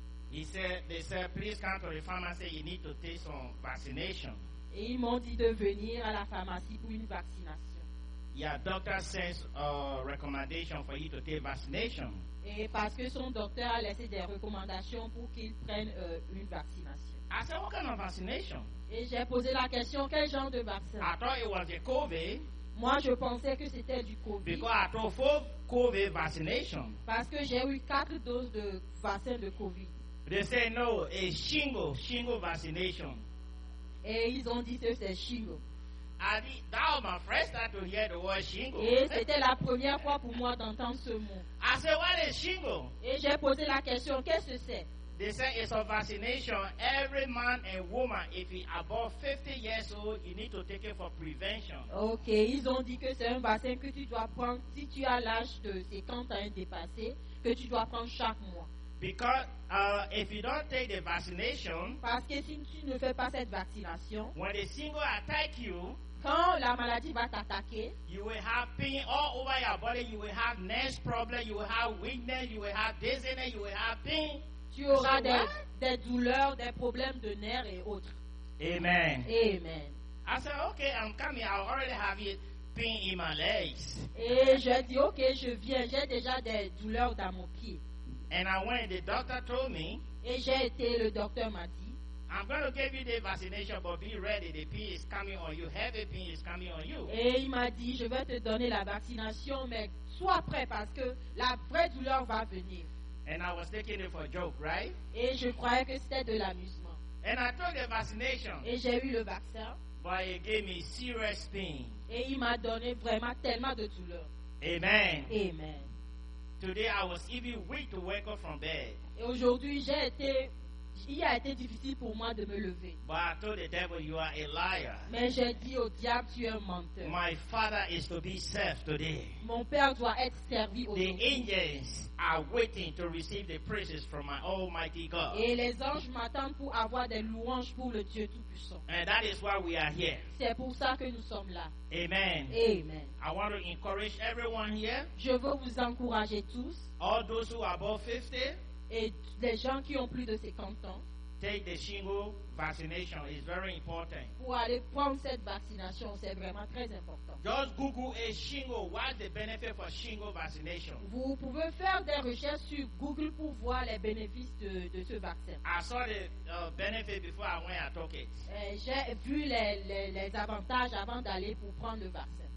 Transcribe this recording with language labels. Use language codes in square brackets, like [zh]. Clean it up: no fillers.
[en] He said, they said, please come to the pharmacy. You need to take some vaccination. [fr] Et ils m'ont dit de venir à la pharmacie pour une vaccination. [en] Yeah, doctor says recommendation for you to take vaccination. [fr] Et parce que son docteur a laissé des recommandations pour qu'il prenne une vaccination. [en] I said, what kind of vaccination? [fr] Et j'ai posé la question, quel genre de vaccin? [en] I thought it was a COVID. [fr] Moi, je pensais que c'était du COVID. [en] Because I thought four COVID vaccination. [fr] Parce que j'ai eu quatre doses de vaccin de COVID. [en] They said, no, a shingle vaccination. [fr] Et ils ont dit que c'est shingle. [en] That was my first time to hear the word shingle. [fr] Et c'était la première fois pour moi d'entendre ce mot. [en] I said, what is shingle? [fr] Et j'ai posé la question, qu'est-ce que c'est? [en] They said it's a vaccination. Every man and woman, if he above 50 years old, you need to take it for prevention. [fr] Okay, ils ont dit que c'est un vaccin que tu dois prendre si tu as l'âge de 50 ans dépassé, que tu dois prendre chaque mois. [en] Because if you don't take the vaccination, [fr] parce que si tu ne fais pas cette vaccination, [en] when the shingle attack you, [fr] quand la maladie va t'attaquer, [en] you will have pain all over your body. You will have nerve problem. You will have weakness. You will have dizziness. You will have pain. [fr] Tu auras so des douleurs, des problèmes de nerfs et autres. Amen. Amen. [en] I said, okay, I'm coming. I already have it. Pain in my legs. [fr] Et je dis, okay, je viens. J'ai déjà des douleurs dans mon pied. [en] And I went, the doctor told me, [fr] et j'ai été, le docteur m'a dit, [en] I'm going to give you the vaccination, but be ready, the pain is coming on you, heavy pain is coming on you. [fr] Et il m'a dit, je vais te donner la vaccination, mais sois prêt parce que la vraie douleur va venir. [en] And I was taking it for a joke, right? [fr] Et je croyais que c'était de l'amusement. [en] And I took the vaccination. [fr] Et j'ai eu le vaccin. [en] But it gave me serious pain. [fr] Et il m'a donné vraiment tellement de douleur. Amen. Amen. [en] Today I was even weak to wake up from bed. [fr] Et aujourd'hui j'ai été, il a été difficile pour moi de me lever. [en] But I told the devil, you are a liar. [fr] Mais j'ai dit au diable, tu es un menteur. [en] My father is to be served today. [fr] Mon père doit être servi aujourd'hui. [en] The angels are waiting to receive the praises from my Almighty God. [fr] Et les anges m'attendent pour avoir des louanges pour le Dieu Tout-Puissant. [en] And that is why we are here. [fr] C'est pour ça que nous sommes là. Amen. Amen. [en] I want to encourage everyone here. [fr] Je veux vous encourager tous. [en] All those who are above 50. [fr] Et les gens qui ont plus de 50 ans. [en] Take the shingle vaccination. It's very important. [fr] Pour aller prendre cette vaccination, c'est vraiment très important. [en] Just Google a shingle. What's the benefit for shingle vaccination? [fr] Vous pouvez faire des recherches sur Google pour voir les bénéfices de ce vaccin. [en] I saw the benefit before I went and took it. [fr] J'ai vu les avantages avant d'aller pour prendre le vaccin.